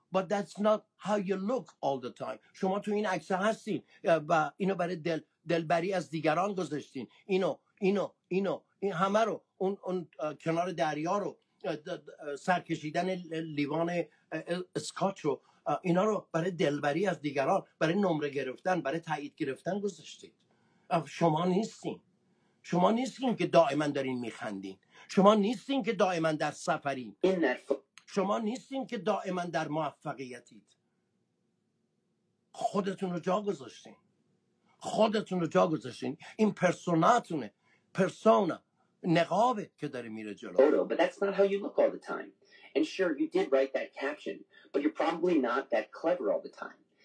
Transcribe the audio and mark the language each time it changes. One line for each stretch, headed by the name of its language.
English: But that's not how you look all the time.
Persian: شما تو این عکس هستین و اینو برای دلبری از دیگران گذاشتین. اینو. این همه رو. اون کنار دریا رو. سرکشیدن لیوان اسکاچ رو اینا رو برای دلبری از دیگران برای نمره گرفتن برای تایید گرفتن گذاشتید. شما نیستین. شما نیستین که دائما دارین میخندین. شما نیستین که دائما در سفرین. شما نیستین که دائما در موفقیتید. خودتون رو جا گذاشتین. خودتون رو جا گذاشتین. این پرسوناتونه. پرسونا نقابه که داره میره جلو.
English: Photo, but that's not how you look all the time. And sure, you did write that caption, but you're probably not that clever all the time.